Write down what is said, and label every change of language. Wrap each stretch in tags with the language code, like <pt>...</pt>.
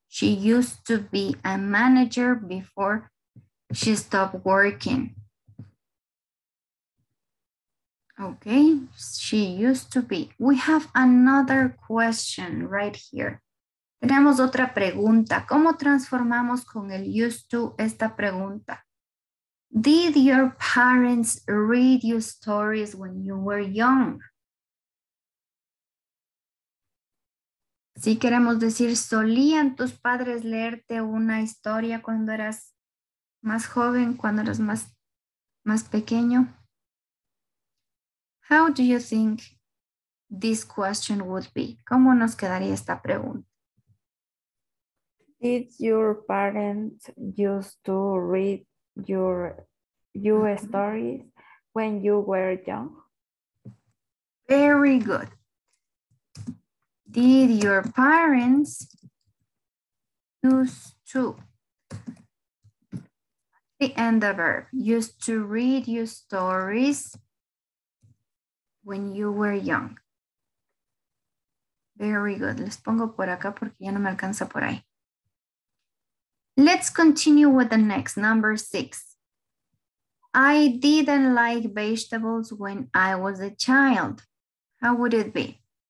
<en>She used to be a manager before she stopped working. Okay, she used to be. We have another question right here.</en> <es>Tenemos otra pregunta. ¿Cómo transformamos con el used to esta pregunta?</es> <en>Did your parents read you stories when you were young?</en> <es>Sí, queremos decir, ¿solían tus padres leerte una historia cuando eras más joven, cuando eras más pequeño?</es> <en>How do you think this question would be?</en> <es>¿Cómo nos quedaría esta pregunta?</es> <en>Did your parents used to read your stories when you were young? Very good. Did your parents used to? The end of verb, used to read you stories when you were young. Very good.</en> <es>Les pongo por acá porque ya no me alcanza por ahí.</es> <en>Let's continue with the next, number 6. I didn't like vegetables when I was a child. How would it be?</en>